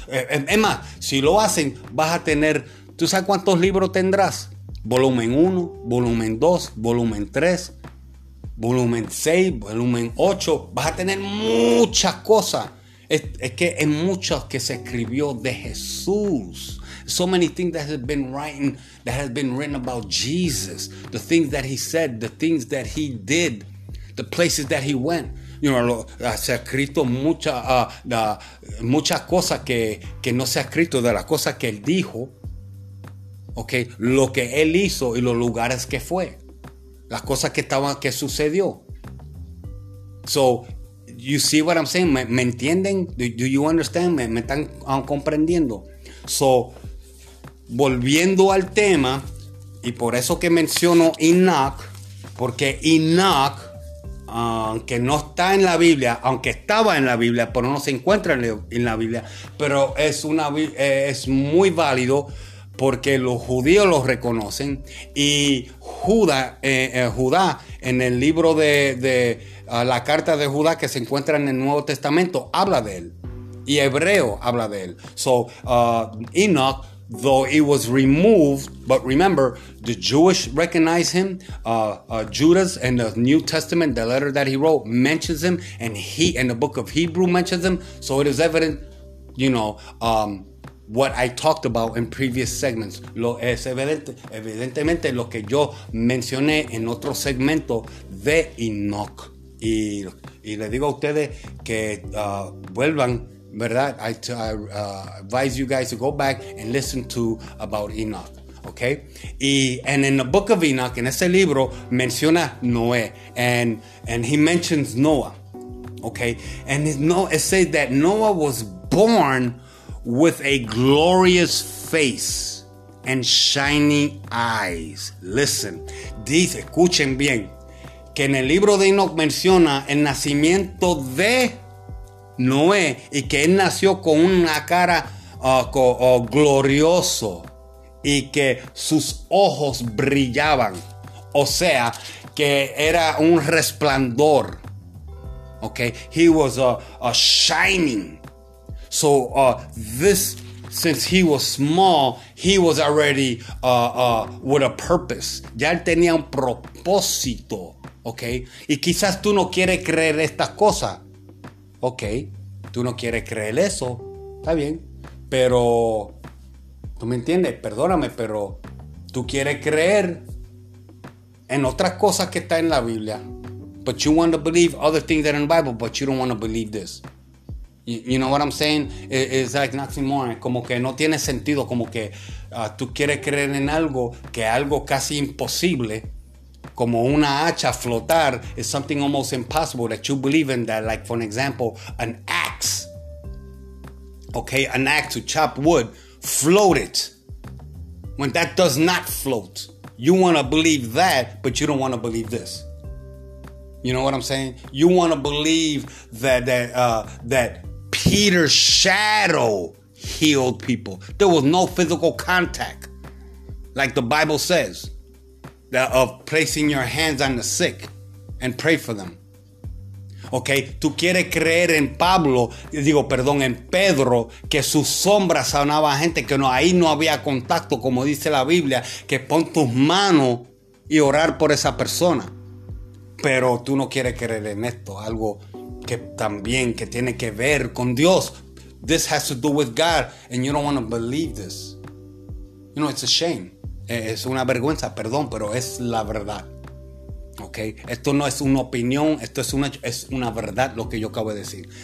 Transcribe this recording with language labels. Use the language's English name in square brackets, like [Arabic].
[Spanish] Es más, si lo hacen, vas a tener, ¿tú sabes cuántos libros tendrás? Volumen 1, volumen 2, volumen 3, volumen 6, volumen 8. Vas a tener muchas cosas. Es que es mucho que se escribió de Jesús. [English] So many things that have been written, about Jesus. The things that he said, the things that he did, the places that he went. [Spanish] You know, se ha escrito muchas cosas que no se ha escrito de las cosas que él dijo. Okay, lo que él hizo y los lugares que fue. Las cosas que sucedió. [English] So, you see what I'm saying? [Spanish] ¿Me entienden? [English] Do you understand? [Spanish] ¿Me están comprendiendo? So, volviendo al tema, y por eso que menciono Enoch, porque Enoch, aunque no está en la Biblia, aunque estaba en la Biblia, pero no se encuentra en la Biblia, pero es muy válido porque los judíos lo reconocen. Y Judá, en el libro de la carta de Judá que se encuentra en el Nuevo Testamento, habla de él. Y Hebreo habla de él. [English] So, Enoch, though he was removed, but remember, the Jewish recognize him. Judas in the New Testament, the letter that he wrote, mentions him. And he, in the book of Hebrew, mentions him. So it is evident, you know, what I talked about in previous segments. [Spanish] Lo es evidente, evidentemente lo que yo mencioné en otro segmento de Enoch. Y le digo a ustedes que vuelvan. ¿Verdad? [English] I advise you guys to go back and listen to about Enoch, okay? And in the book of Enoch, [Spanish] en ese libro, menciona Noé, [English] and he mentions Noah, okay? And it says that Noah was born with a glorious face and shining eyes. Listen, [Spanish] dice, escuchen bien, que en el libro de Enoch menciona el nacimiento de Noé y que él nació con una cara glorioso y que sus ojos brillaban. O sea, que era un resplandor. [English] Okay, he was a shining. So this, since he was small, he was already with a purpose. [Spanish] Ya él tenía un propósito, okay. Y quizás tú no quieres creer estas cosas, okay. Tú no quieres creer eso, está bien. Pero tú me entiendes. Perdóname, pero tú quieres creer en otras cosas que está en la Biblia. [English] But you want to believe other things that are in the Bible, but you don't want to believe this. You know what I'm saying? It's like nothing more. [Spanish] Como que no tiene sentido. Como que tú quieres creer en algo que algo casi imposible, como una hacha flotar, [English] is something almost impossible that you believe in. That, like for an example, an axe. Okay, an axe to chop wood, float it. When that does not float, you want to believe that, but you don't want to believe this. You know what I'm saying? You want to believe that Peter's shadow healed people. There was no physical contact, like the Bible says, that of placing your hands on the sick and pray for them. [Spanish] Okay, tú quieres creer en Pablo, digo, perdón, en Pedro, que su sombra sanaba a gente, que no, ahí no había contacto, como dice la Biblia, que pon tus manos y orar por esa persona. Pero tú no quieres creer en esto, algo que también que tiene que ver con Dios. [English] This has to do with God, and you don't want to believe this. You know, it's a shame. [Spanish] Es una vergüenza, perdón, pero es la verdad. Okay? Esto no es una opinión, esto es una verdad lo que yo acabo de decir.